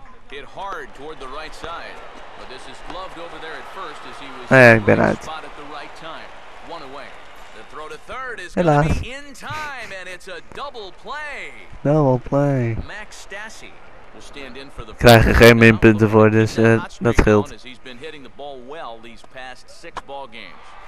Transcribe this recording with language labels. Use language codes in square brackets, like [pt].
[en] Hit hard toward the right side, but this is gloved over there at first as he was spot at the right time. One away. The throw to third is going to be in time, and it's a double play. Double play. Max Stassi will stand in for the [nl] krijgen geen minpunten voor, dus dat scheelt. [en] He's been hitting the ball well these past six ball games.